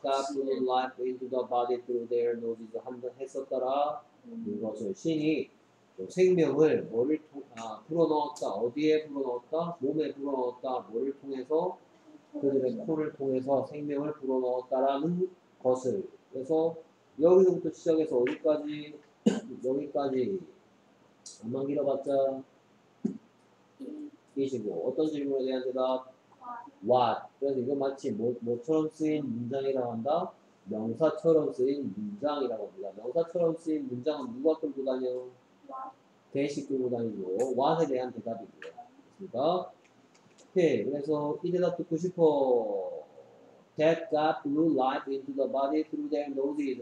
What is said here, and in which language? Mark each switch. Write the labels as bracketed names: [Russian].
[English] God blew life into the body through their noses [Korean] 한번 했었더라. 무엇을 신이 생명을 뭐를 불어넣었다. 어디에 불어넣었다? 몸에 불어넣었다. 뭐를 통해서? 그들의 코를 통해서 생명을 불어넣었다라는 것을. 그래서 여기서부터 시작해서 어디까지? 여기까지 안만 길어봤자 이시고 어떤 질문에 대한 대답? [English] Why What. [Korean] 그래서 이거 마치 뭐처럼 쓰인 문장이라고 한다? 명사처럼 쓰인 문장이라고 합니다. 명사처럼 쓰인 문장은 누가 끌고 다녀? [English] What? [Korean] 대시 끌고 다니고, What에 대한 대답이고요. 됐습니까? 오케이. 그래서 이 대답 듣고 싶어. [English] That got blue light into the body through their noses.